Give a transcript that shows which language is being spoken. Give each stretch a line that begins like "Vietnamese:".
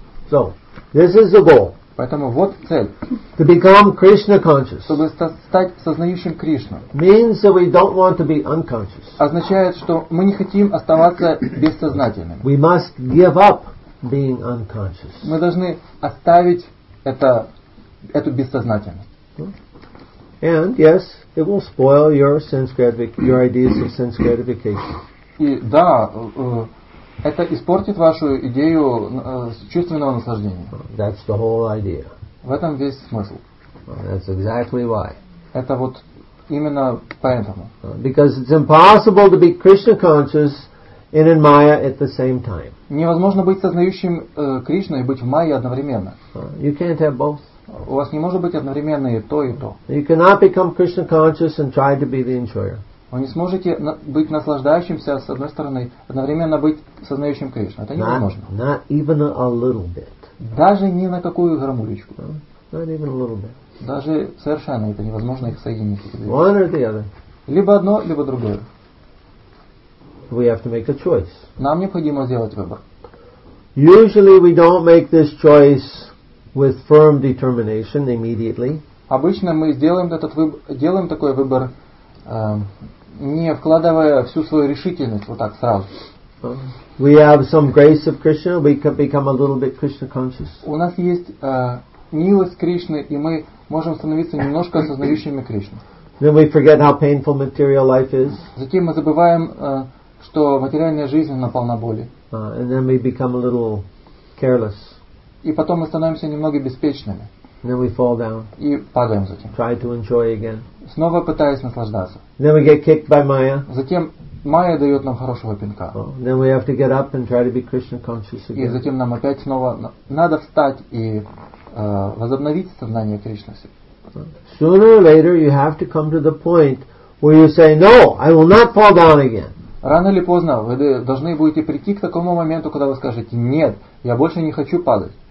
English: So, this is the goal.
Russian: Поэтому вот цель.
English: To become Krishna conscious.
Russian: Чтобы стать сознающим Кришну.
English: Means that we don't want to be unconscious.
Russian: Означает, что мы не хотим оставаться бессознательными.
English: We must give up being unconscious.
Russian: Мы должны оставить эту бессознательность.
English: And yes, it will spoil your ideas of sense gratification.
Russian: И да, это испортит вашу идею чувственного наслаждения.
English: That's the whole idea.
Russian: В этом весь смысл.
English: That's exactly why.
Russian: Это вот именно поэтому.
English: Because it's impossible to be Krishna conscious and in Maya at the same time.
Russian: Невозможно быть сознающим Кришну и быть в Майе одновременно.
English: You can't have both.
Russian: У вас не может быть одновременно и то, и то.
English: You cannot become Krishna conscious and try to be the enjoyer.
Russian: Вы не сможете быть наслаждающимся с одной стороны, одновременно быть сознающим Кришну. Это невозможно.
English: Not even a little bit.
Russian: Даже ни на какую грамулечку.
English: Not even a little bit.
Russian: Даже совершенно это невозможно их соединить.
English: One or the other.
Russian: Либо одно, либо другое.
English: We have to make a choice.
Russian: Нам необходимо сделать выбор.
English: Usually we don't make this choice with firm determination immediately.
Russian: Обычно мы сделаем делаем такой выбор, не вкладывая всю свою решительность вот так сразу.
English: We have some grace of Krishna, we can become a little bit Krishna conscious.
Russian: У нас есть милость Кришны, и мы можем становиться немножко осознающими Кришну.
English: Then we forget how painful material life is.
Russian: Затем мы забываем, что материальная жизнь наполна боли.
English: And then we become a little careless.
Russian: И потом мы становимся немного беспечными.
English: Then we fall down.
Russian: И падаем затем.
English: Try to enjoy again.
Russian: Снова пытаясь наслаждаться.
English: Then we get kicked by Maya.
Russian: Затем Майя дает нам хорошего пинка.
English: Then we have to get up and try to be Krishna conscious again.
Russian: И затем нам опять снова надо встать и возобновить сознание Кришны.
English: Sooner or later you have to come to the point where you say, no, I will not fall down again.
Russian: Рано или поздно вы должны будете прийти к такому моменту, когда вы скажете, нет, я больше не хочу падать.